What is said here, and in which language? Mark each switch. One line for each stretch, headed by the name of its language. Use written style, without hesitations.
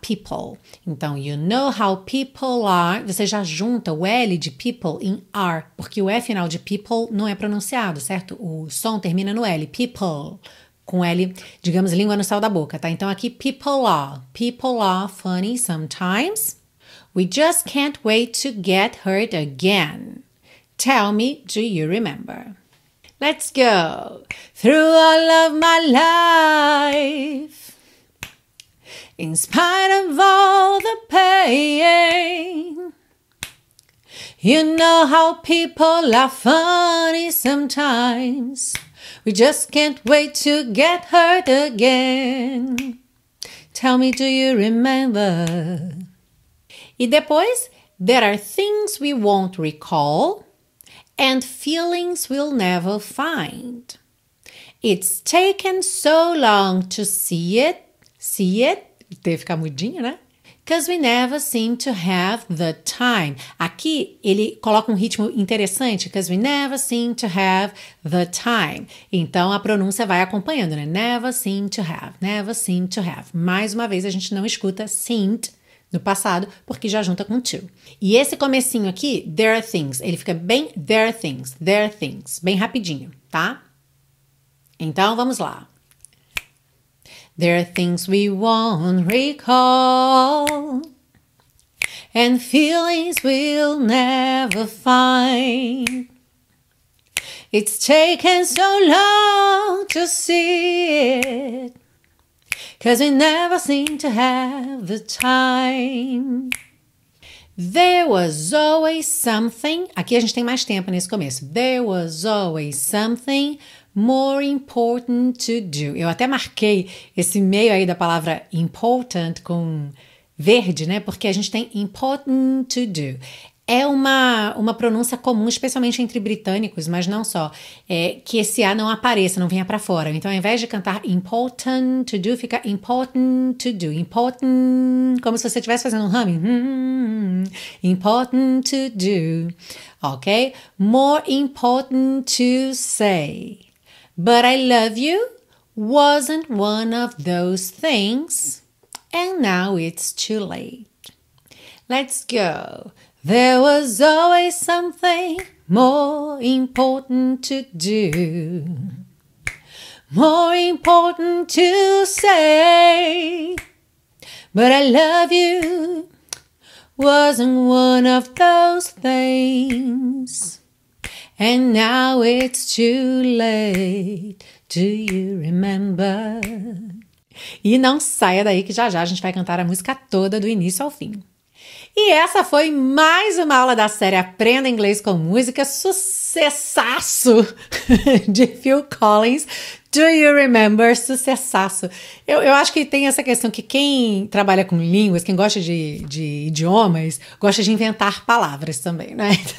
English: People.
Portuguese: Então,
English: you know how people are.
Portuguese: Você já junta o L de people em are, porque o E final de people não é pronunciado, certo? O som termina no L, people. Com L, digamos, língua no céu da boca, tá? Então, aqui,
English: people are funny sometimes. We just can't wait to get hurt again. Tell me, do you remember? Let's go. Through all of my life. In spite of all the pain. You know how people are funny sometimes. We just can't wait to get hurt again. Tell me, do you remember?
Portuguese: E depois,
English: there are things we won't recall and feelings we'll never find. It's taken so long to see it,
Portuguese: ter ficar mudinho, né?
English: Because we never seem to have the time.
Portuguese: Aqui, ele coloca um ritmo interessante.
English: Because we never seem to have the time.
Portuguese: Então, a pronúncia vai acompanhando, né?
English: Never seem to have. Never seem to have.
Portuguese: Mais uma vez, a gente não escuta seemed no passado, porque já junta com to. E esse comecinho aqui,
English: there are things.
Portuguese: Ele fica bem there are things. Bem rapidinho, tá? Então, vamos lá.
English: There are things we won't recall and feelings we'll never find. It's taken so long to see it, 'cause we never seem to have the time. There was always something.
Portuguese: Aqui a gente tem mais tempo nesse começo.
English: There was always something more important to do.
Portuguese: Eu até marquei esse meio aí da palavra important com verde, né? Porque a gente tem
English: important to do.
Portuguese: É uma pronúncia comum, especialmente entre britânicos, mas não só, que esse A não apareça, não venha para fora. Então, ao invés de cantar
English: important to do,
Portuguese: fica important to do. Important, como se você estivesse fazendo um humming.
English: Important to do, ok? More important to say. But I love you wasn't one of those things, and now it's too late. Let's go. There was always something more important to do, more important to say, but I love you wasn't one of those things, and now it's too late. Do you remember?
Portuguese: E não saia daí que já já a gente vai cantar a música toda do início ao fim. E essa foi mais uma aula da série Aprenda Inglês com Música, sucessaço de Phil Collins. Do you remember? Sucessaço. Eu acho que tem essa questão que quem trabalha com línguas, quem gosta de idiomas, gosta de inventar palavras também, né?